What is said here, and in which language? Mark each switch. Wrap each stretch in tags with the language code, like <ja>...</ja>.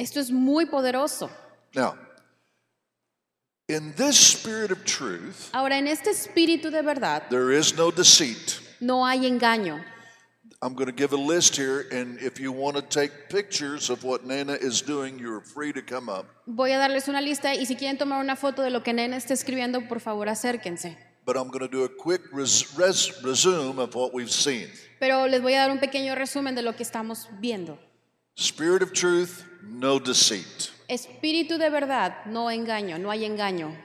<es>Esto es muy poderoso.</es> <en>Now, in this spirit of truth,</en> <es>ahora en este espíritu de verdad,</es> <en>there is no deceit.</en> <es>No hay engaño.</es> <en>I'm going to give a list here, and if you want to take pictures of what Nana is doing, you're free to come up.</en> <es>Voy a darles una lista, y si quieren tomar una foto de lo que Nana está escribiendo, por favor acérquense.</es> <en>But I'm going to do a quick resume of what we've seen.</en> <es>Pero les voy a dar un pequeño resumen de lo que estamos viendo.</es> <en>Spirit of truth, no deceit.</en> <es>Espíritu de verdad, no engaño, no hay engaño.</es>